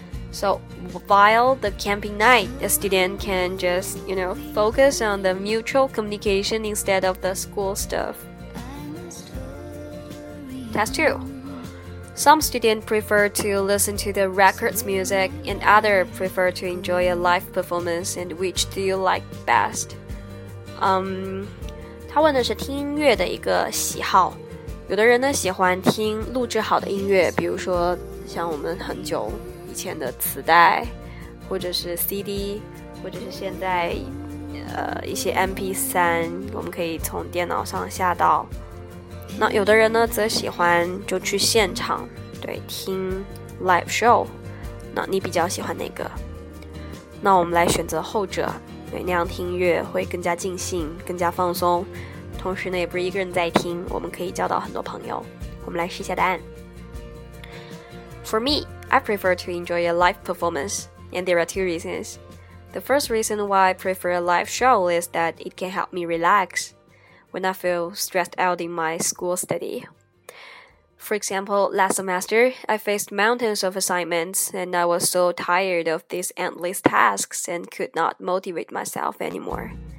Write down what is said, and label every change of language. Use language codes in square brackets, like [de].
[en] So while the camping night, the student can just, you know, focus on the mutual communication instead of the school stuff. Test 2. Some students prefer to listen to the records music and others prefer to enjoy a live performance and which do you like best? [zh] 他问的是听音乐的一个喜好，有的人呢喜欢听录制好的音乐，比如说像我们很久以前的磁带，或者是 CD， 或者是现在一些 MP3， 我们可以从电脑上下到。那有的人呢则喜欢就去现场，对，听 live show。那你比较喜欢哪个？那我们来选择后者。对，那样听音乐会更加尽兴，更加放松，同时呢也不是一个人在听，我们可以交到很多朋友。我们来试一下答案。 [en] For me, I prefer to enjoy a live performance, and there are two reasons. The first reason why I prefer a live show is that it can help me relax when I feel stressed out in my school study. For example, last semester, I faced mountains of assignments, and I was so tired of these endless tasks and could not motivate myself anymore.